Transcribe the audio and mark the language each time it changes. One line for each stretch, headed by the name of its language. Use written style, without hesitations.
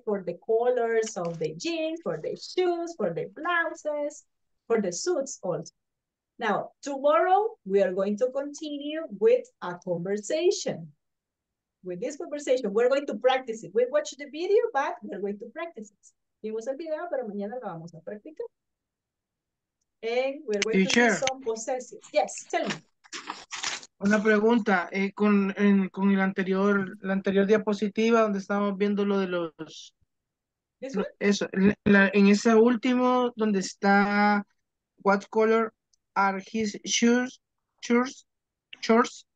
English: For the colors of the jeans, for the shoes, for the blouses, for the suits also. Now, tomorrow, we are going to continue with a conversation. With this conversation, we're going to practice it. We watched the video, but we're going to practice it.
Spanish: Vimos el video, pero mañana lo vamos a practicar.
English: And we're going to do some possessives. Yes, tell me.
Spanish: Una pregunta, con la anterior diapositiva donde estábamos viendo lo de los... Eso, en ese último donde está
English: what color are his shoes, His shorts.